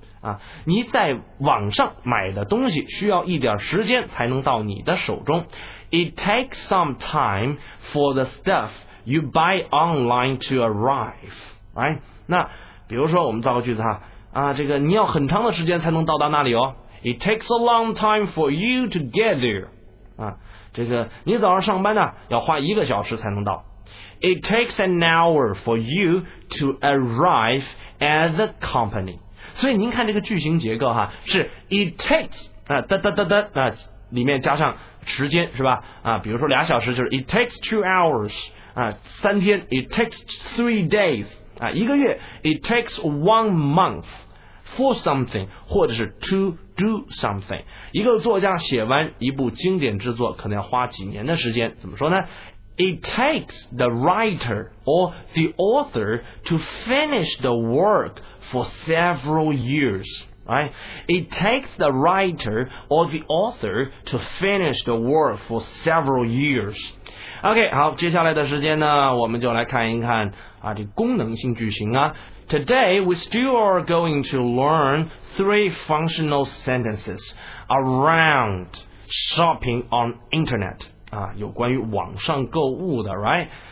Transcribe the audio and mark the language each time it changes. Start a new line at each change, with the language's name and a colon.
Chinese: 啊，你在网上买的东西需要一点时间才能到你的手中。
English: It takes some time for the stuff。 You buy online to arrive, right?
Chinese: 那比如说我们造个句子哈，啊，这个你要很长的时间才能到达那里哦。
English: It takes a long time for you to get there.
Chinese: 啊，这个你早上上班呢，要花一个小时才能到。
English: It takes an hour for you to arrive at the company.
Chinese: 所以您看这个句型结构哈，是
English: it takes
Chinese: 啊，里面加上时间是吧？
English: 啊，
Chinese: 比如说俩小时就是
English: it takes 2 hours。啊，
Chinese: 三天
English: ，it takes 3 days 啊，
Chinese: 一个月
English: ，it takes 1 month for something
Chinese: 或者是
English: to do something。
Chinese: 一个作家写完一部经典之作，可能要花几年的时间。怎么说呢
English: ？It takes the writer or the author to finish the work for several years。 Right? It takes the writer or the author to finish the work for several years.
Chinese: OK, 好，接下来的时间呢，我们就来看一看啊，这功能性句型啊。
English: Today, we still are going to learn three functional sentences around shopping on internet.
Chinese: 啊，有关于网上购物的 ，right?